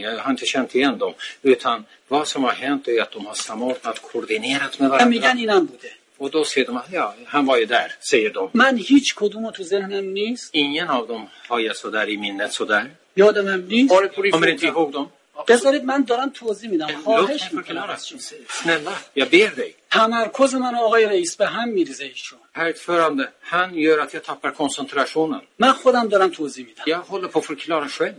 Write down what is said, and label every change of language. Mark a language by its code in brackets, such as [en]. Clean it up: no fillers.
[sv] Jag har inte känt igen dem. Utan vad som har hänt är att de har samordnat, koordinerat med varandra. Men igen innan bodde. Och då säger de att ja, han var ju där, säger de. [fa] Men هیچ کدوم تو ذهنم نیست. [sv] Ingen av dem har jag sådär i minnet sådär. [fa] یادمم نیست. [sv] Kommer inte ihåg dem. [fa] بذارید من دارم توضیح میدم. خواهش میکنم. [sv] Snälla, jag ber dig. [fa] تمرکز من آقای رئیس به هم میریزه ایشون. [sv] Helt förande. Han gör att jag tappar koncentrationen. [fa] من خودم دارم توضیح میدم. [sv] Jag håller på förklara själv.